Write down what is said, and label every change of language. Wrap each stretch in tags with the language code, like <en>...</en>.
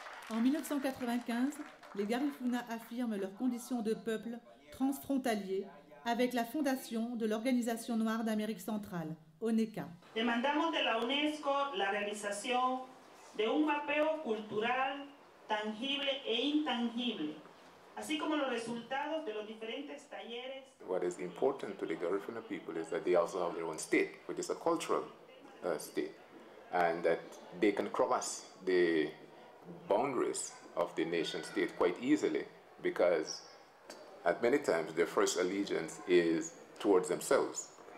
<fr>En 1995, les Garifuna affirment leur condition de peuple transfrontalier avec la fondation de l'Organisation Noire d'Amérique Centrale, ONECA.</fr> <es>Demandamos de la UNESCO la realización de un mapeo cultural tangible e intangible, así como los resultados de los diferentes talleres.</es> <en>What is important to the Garifuna people is that they also have their own state, which is a cultural state, and that they can cross the boundaries of the nation state quite easily, because at many times their first allegiance is towards themselves.</en>